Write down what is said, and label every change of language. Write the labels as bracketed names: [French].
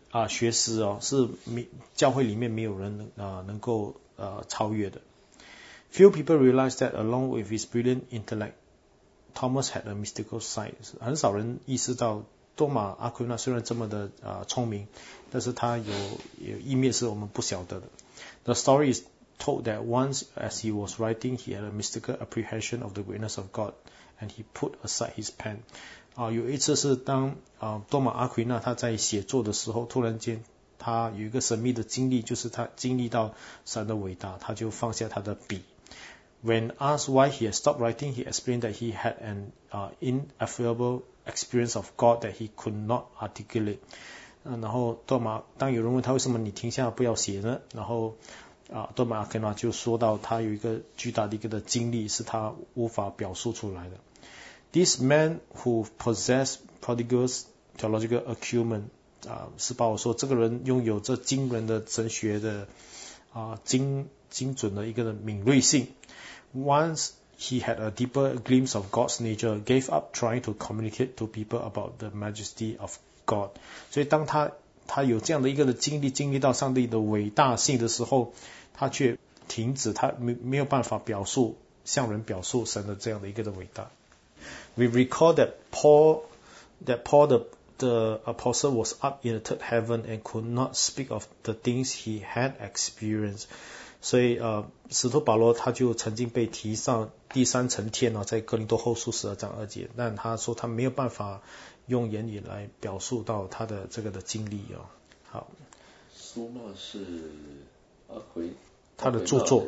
[Chinese] 啊，学识哦，是教会里面没有人能够超越的。 [English] Few people realize that along with his brilliant intellect, Thomas had a mystical side. [Chinese] 很少人意识到多马阿奎那虽然这么的聪明，但是他有一面是我们不晓得的。 [English] The story is told that once as he was writing, he had a mystical apprehension of the greatness of God, and he put aside his pen. [Chinese] 有一次是当多马阿奎那他在写作的时候，突然间他有一个神秘的经历，就是他经历到神的伟大，他就放下他的笔。 [English] When asked why he had stopped writing, he explained that he had an ineffable experience of God that he could not articulate. [Chinese] 然后多马当有人问他为什么你停下不要写呢，然后多马阿奎那就说到他有一个巨大的一个的经历是他无法表述出来的。 [English] This man who possessed prodigal theological acumen, [Chinese] 是把我说这个人拥有这惊人的神学的精准的一个的敏锐性。 [English] Once he had a deeper glimpse of God's nature, gave up trying to communicate to people about the majesty of God. [Chinese] 所以当他有这样的一个的经历到上帝的伟大性的时候，他却停止，他没有办法表述，向人表述神的这样的一个的伟大。 [English] We recall that Paul the apostle was up in the third heaven and could not speak of the things he had experienced. [Chinese] 所以使徒保罗他就曾经被提上第三层天了，在哥林多后书十二章二节，但他说他没有办法用言语来表述到他的这个的经历哦。好，苏纳是阿奎他的著作，